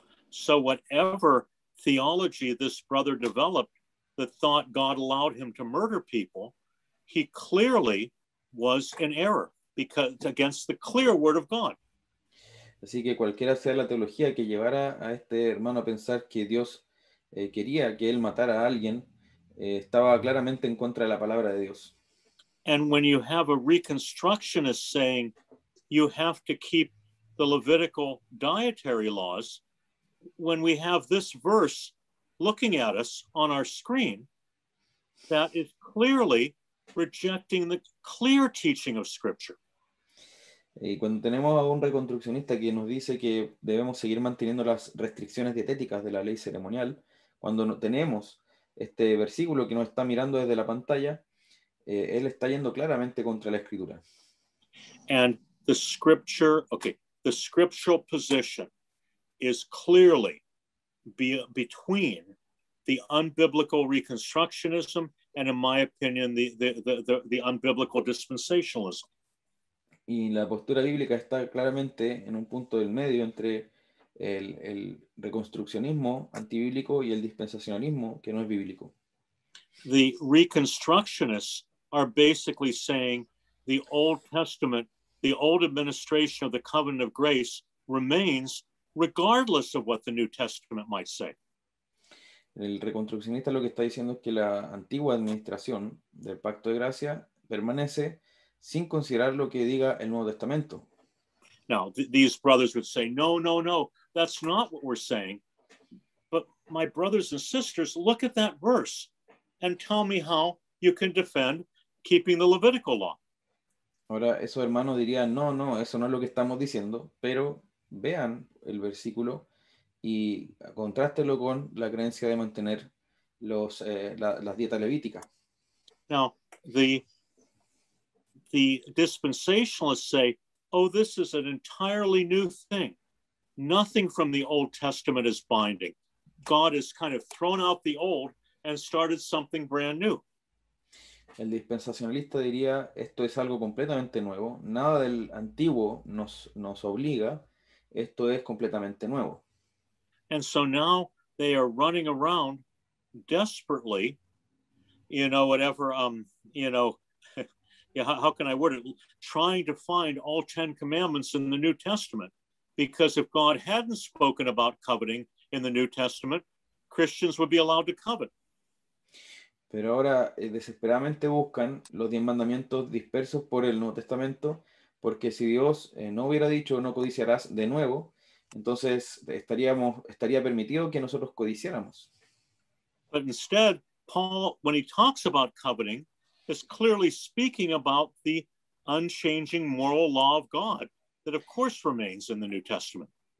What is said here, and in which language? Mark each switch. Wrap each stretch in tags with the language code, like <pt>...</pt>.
<en>So whatever theology this brother developed that thought God allowed him to murder people, he clearly was in error because against the clear word of God.</en> <es>Así que cualquiera sea la teología que llevara a este hermano a pensar que Dios quería que él matara a alguien, estaba claramente en contra de la palabra de Dios.</es> <en>And when you have a reconstructionist saying you have to keep the Levitical dietary laws, when we have this verse looking at us on our screen, that is clearly rejecting the clear teaching of Scripture.</en> <es>Y cuando tenemos a un reconstruccionista que nos dice que debemos seguir manteniendo las restricciones dietéticas de la ley ceremonial, cuando tenemos este versículo que nos está mirando desde la pantalla, él está yendo claramente contra la Escritura.</es> <en>And the scripture, okay, the scriptural position is clearly between the unbiblical reconstructionism and, in my opinion, the unbiblical dispensationalism.</en> <es>Y la postura bíblica está claramente en un punto del medio entre el reconstruccionismo antibíblico y el dispensacionalismo que no es bíblico.</es> <en>The reconstructionists are basically saying the Old Testament, the old administration of the covenant of grace remains regardless of what the New Testament might say.</en> <es>El reconstruccionista lo que está diciendo es que la antigua administración del pacto de gracia permanece sin considerar lo que diga el Nuevo Testamento.</es> <en>Now, these brothers would say, no, that's not what we're saying. But my brothers and sisters, look at that verse and tell me how you can defend keeping the Levitical law.</en> <es>Ahora, esos hermanos dirían, no, eso no es lo que estamos diciendo, pero vean el versículo y contrástelo con la creencia de mantener las dietas levíticas.</es> <en>Now, the dispensationalists say, oh, this is an entirely new thing. Nothing from the Old Testament is binding. God has kind of thrown out the old and started something brand new.</en> <es>El dispensacionalista diría, esto es algo completamente nuevo. Nada del antiguo nos obliga. Esto es completamente nuevo.</es> <en>And so now they are running around desperately, how can I word it? Trying to find all Ten Commandments in the New Testament. Because if God hadn't spoken about coveting in the New Testament, Christians would be allowed to covet.</en> <es>Pero ahora desesperadamente buscan los 10 mandamientos dispersos por el Nuevo Testamento, porque si Dios no hubiera dicho no codiciarás de nuevo, entonces estaría permitido que nosotros codiciáramos.</es> <en>But instead, Paul, when he talks about coveting, is clearly speaking about the unchanging moral law of God that of course remains in the New Testament.</en>